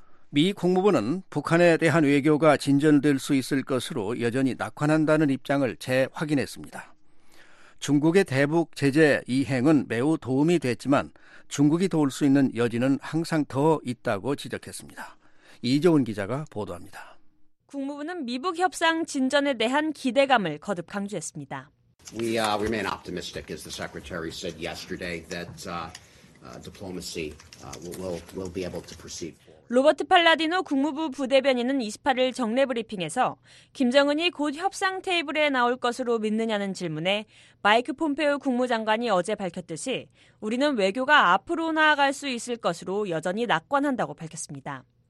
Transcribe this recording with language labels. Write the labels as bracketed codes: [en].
[ko] 미 국무부는 북한에 대한 외교가 진전될 수 있을 것으로 여전히 낙관한다는 입장을 재확인했습니다. 중국의 대북 제재 이행은 매우 도움이 됐지만 중국이 도울 수 있는 여지는 항상 더 있다고 지적했습니다. 이재훈 기자가 보도합니다. 국무부는 미북 협상 진전에 대한 기대감을 거듭 강조했습니다. [en] We remain optimistic, as the secretary said yesterday, that diplomacy will be able to proceed. [ko] 로버트 팔라디노 국무부 부대변인은 28일 정례 브리핑에서 김정은이 곧 협상 테이블에 나올 것으로 믿느냐는 질문에 마이크 폼페오 국무장관이 어제 밝혔듯이 우리는 외교가 앞으로 나아갈 수 있을 것으로 여전히 낙관한다고 밝혔습니다.